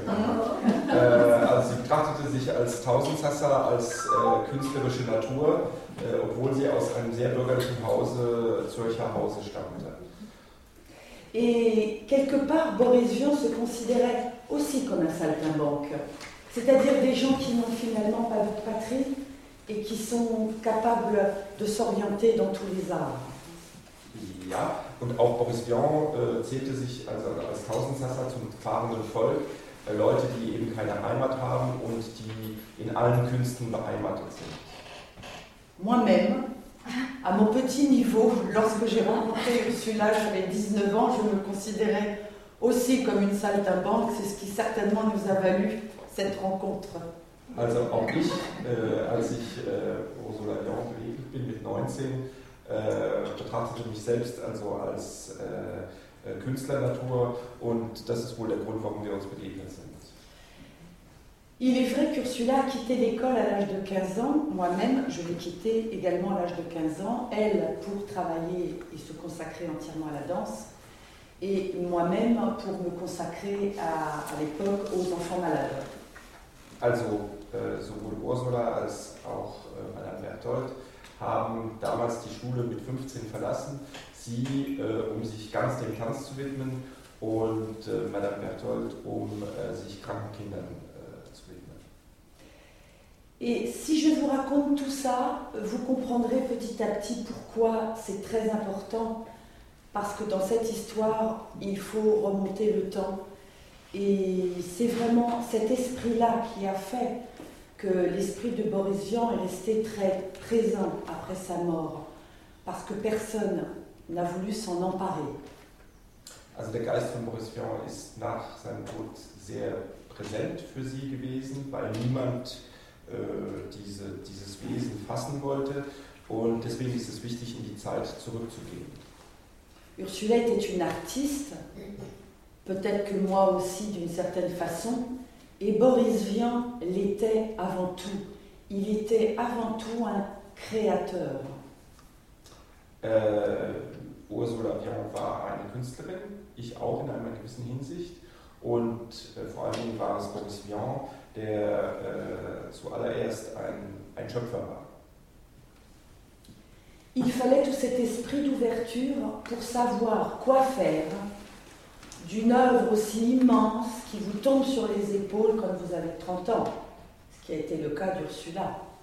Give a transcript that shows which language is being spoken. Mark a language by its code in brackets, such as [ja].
[de] Sie betrachtete sich als Tausendsassa, als künstlerische Natur, obwohl sie aus einem sehr bürgerlichen Hause, Zürcher Hause, stammte. [fr] Et quelque part, Boris Vian se considérait aussi comme un saltimbanque. C'est-à-dire des gens qui n'ont finalement pas de patrie et qui sont capables de s'orienter dans tous les arts. [de] Ja, und auch Boris Vian zählte sich also als Tausendsassa zum fahrenden Volk, Leute, die eben keine Heimat haben und die in allen Künsten beheimatet sind. [fr] Moi-même, à mon petit niveau, lorsque j'ai rencontré Ursula, j'avais 19 ans, je me considérais aussi comme une saltimbanque, c'est ce qui certainement nous a valu cette rencontre. [de] Also auch ich, als ich Ursula Vian begegnet bin mit 19, betrachtete mich selbst also als Künstlernatur und das ist wohl der Grund, warum wir uns begegnet sind. [fr] Il est vrai qu'Ursula a quitté l'école à l'âge de 15 ans, moi-même je l'ai quitté également à l'âge de 15 ans, elle pour travailler et se consacrer entièrement à la danse, et moi-même pour me consacrer à l'époque aux enfants malades. [de] Also sowohl Ursula als auch Madame Berthold haben damals die Schule mit 15 verlassen, sie um sich ganz dem Tanz zu widmen und Madame Berthold um sich kranken Kindern zu widmen. [fr] Et si je vous raconte tout ça, vous comprendrez petit à petit pourquoi c'est très important, parce que dans cette histoire, il faut remonter le temps. Et c'est vraiment cet esprit-là qui a fait que l'esprit de Boris Vian est resté très présent après sa mort, parce que personne n'a voulu s'en emparer. [de] Also der Geist von Boris Vian ist nach seinem Tod sehr präsent für sie gewesen, weil niemand dieses Wesen fassen wollte. Und deswegen ist es wichtig, in die Zeit zurückzugehen. [fr] Ursula était une artiste, peut-être que moi aussi d'une certaine façon, et Boris Vian l'était avant tout. Il était avant tout un créateur. [de] Ursula Vian war eine Künstlerin, ich auch in einer gewissen Hinsicht, und vor allen Dingen war es Boris Vian, der zuallererst ein Schöpfer war. [fr] Il fallait tout cet esprit d'ouverture pour savoir quoi faire d'une œuvre aussi immense qui vous tombe sur les épaules quand vous avez 30 ans, ce qui a été le cas d'Ursula.